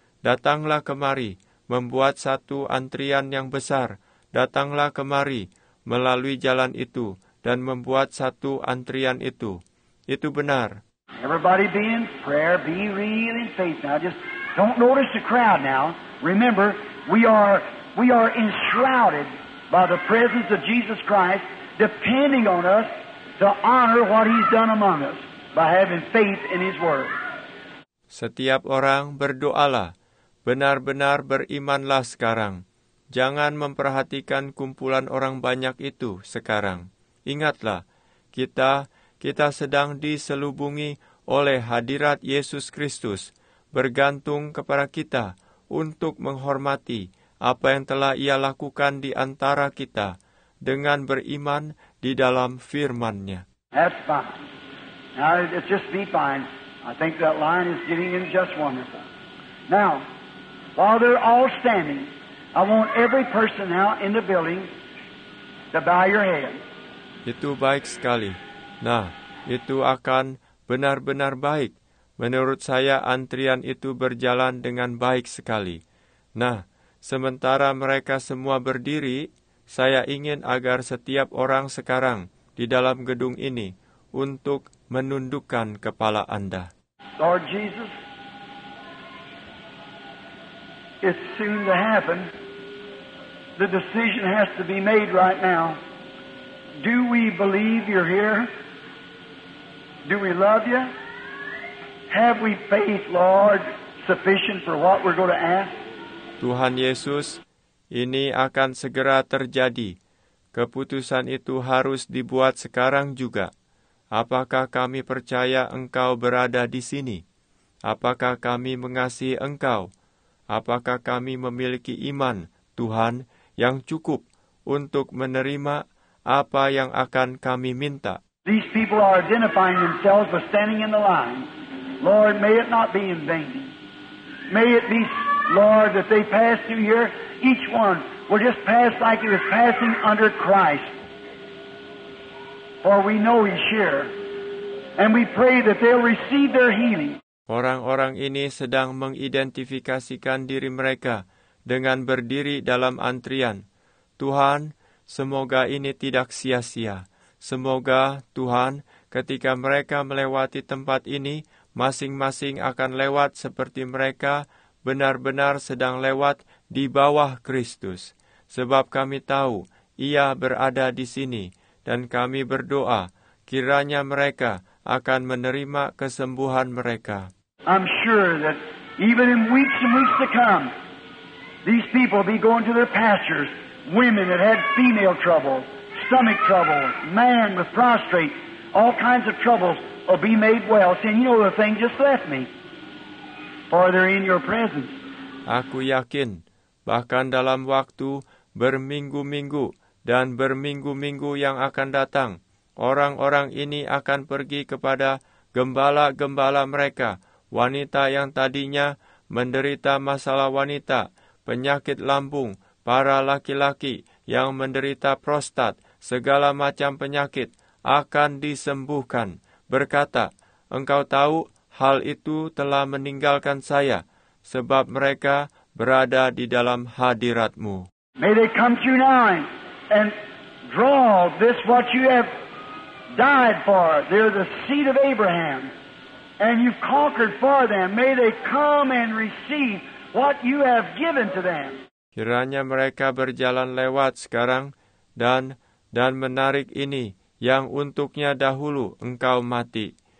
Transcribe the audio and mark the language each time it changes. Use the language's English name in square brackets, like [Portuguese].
[Indonesian] Datanglah kemari, membuat satu antrian yang besar. Datanglah kemari, melalui jalan itu, dan membuat satu antrian itu. Itu benar. [English] Everybody be in prayer, be real in faith now. Just don't notice the crowd now. Remember, we are enshrouded by the presence of Jesus Christ, depending on us to honor what He's done among us by having faith in His Word. [Indonesian] Setiap orang berdoalah, benar-benar berimanlah sekarang. Jangan memperhatikan kumpulan orang banyak itu sekarang. Ingatlah, kita sedang diselubungi oleh hadirat Yesus Kristus, bergantung kepada kita untuk menghormati apa yang telah Ia lakukan di antara kita dengan beriman di dalam Firman-Nya. [English] That's fine. Now, it's just be fine. I think that line is getting in just wonderful. Now, while they're all standing, I want every person now in the building to bow your head. [Indonesian] Itu baik sekali. Nah, itu akan benar-benar baik. Menurut saya, antrian itu berjalan dengan baik sekali. Nah, sementara mereka semua berdiri, saya ingin agar setiap orang sekarang di dalam gedung ini untuk menundukkan kepala Anda. [English] Lord Jesus, it's soon to happen. The decision has to be made right now. Do we believe You're here? Do we love You? Have we faith, Lord, sufficient for what we're going to ask? [Indonesian] Tuhan Yesus, ini akan segera terjadi. Keputusan itu harus dibuat sekarang juga. Apakah kami percaya Engkau berada di sini? Apakah kami mengasihi Engkau? Apakah kami memiliki iman, Tuhan, yang cukup untuk menerima apa yang akan kami minta? [English] These people are identifying themselves with standing in the line. Lord, may it not be in vain. May it be, Lord, that they pass through here, each one will just pass like it was passing under Christ. For we know He's here. And we pray that they'll receive their healing. [Indonesian] Orang-orang ini sedang mengidentifikasikan diri mereka dengan berdiri dalam antrian. Tuhan, semoga ini tidak sia-sia. Semoga, Tuhan, ketika mereka melewati tempat ini, masing-masing akan lewat seperti mereka benar-benar sedang lewat di bawah Kristus. Sebab kami tahu Ia berada di sini, dan kami berdoa kiranya mereka akan menerima kesembuhan mereka. [English] I'm sure that even in weeks and weeks to come, these people be going to their pastors, women that had female trouble, stomach trouble, man with prostate, all kinds of troubles will be made well, saying, you know, the thing just left me, for they're in Your presence. [Indonesian] Aku yakin, bahkan dalam waktu berminggu-minggu dan berminggu-minggu yang akan datang, orang-orang ini akan pergi kepada gembala-gembala mereka, wanita yang tadinya menderita masalah wanita, penyakit lambung, para laki-laki yang menderita prostat, segala macam penyakit akan disembuhkan. Berkata, Engkau tahu hal itu telah meninggalkan saya, sebab mereka berada di dalam hadirat-Mu. [English] May they come to You now and draw this what You have died for. They're the seed of Abraham, and You've conquered for them. May they come and receive what You have given to them. [Indonesian] Kiranya mereka berjalan lewat sekarang dan menarik ini, yang untuknya dahulu Engkau mati.